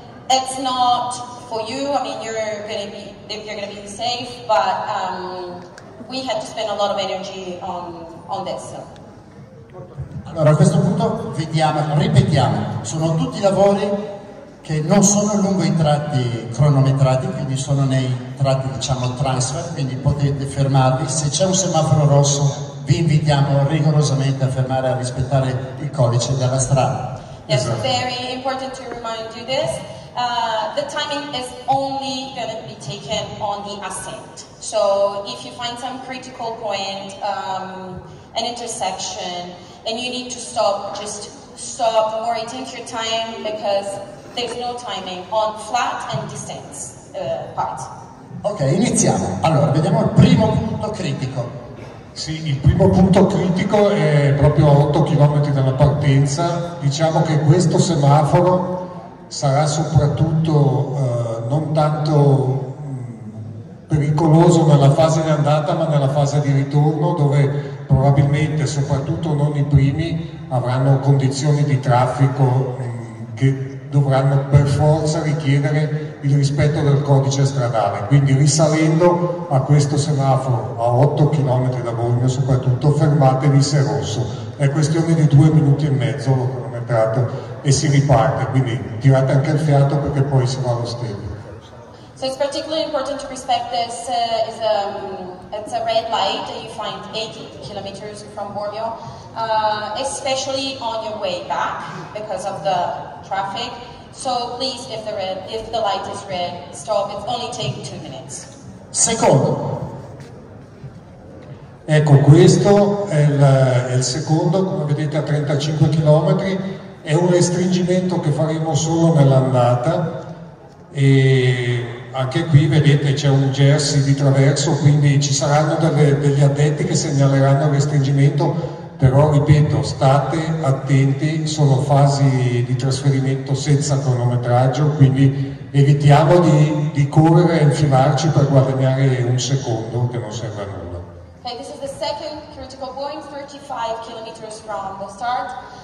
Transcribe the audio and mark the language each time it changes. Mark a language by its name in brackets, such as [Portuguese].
[English] It's not for you, I mean, you're going to be safe, but we had to spend a lot of energy on this. So. [Italian] Allora a questo punto vediamo, ripetiamo, sono tutti lavori che non sono lungo i tratti cronometrati, quindi sono nei tratti diciamo transfer, quindi potete fermarvi, se c'è un semaforo rosso vi invitiamo rigorosamente a fermare e a rispettare il codice della strada. [English] Yes, very important to remind you this, the timing is only going to be taken on the ascent, so if you find some critical point, an intersection, and you need to stop, just stop or take your time because there's no timing on flat and descent part. [Italian] Ok, iniziamo. Allora, vediamo il primo punto critico. Sì, il primo punto critico è proprio a 8 km dalla partenza. Diciamo che questo semaforo sarà soprattutto non tanto pericoloso nella fase di andata, ma nella fase di ritorno, dove probabilmente, soprattutto non i primi, avranno condizioni di traffico che dovranno per forza richiedere il rispetto del codice stradale. Quindi risalendo a questo semaforo a 8 km da Bologna, soprattutto fermatevi se è rosso. È questione di 2 minuti e mezzo, l'ho cronometrato, e si riparte. Quindi tirate anche il fiato perché poi si va allo stadio. [English] So it's particularly important to respect this, it's a red light that you find 80 kilometers from Bormio, especially on your way back because of the traffic. So please, if the light is red, stop. It's only take 2 minutes. [Italian] Secondo. Ecco, questo è il secondo, come vedete a 35 km, è un restringimento che faremo solo nell'andata e... Anche qui vedete c'è un jersey di traverso, quindi ci saranno degli addetti che segnaleranno il restringimento, però ripeto, state attenti, sono fasi di trasferimento senza cronometraggio, quindi evitiamo di correre e infilarci per guadagnare un secondo che non serve a nulla. [English] Okay, this is the second critical point, 35 km from the start.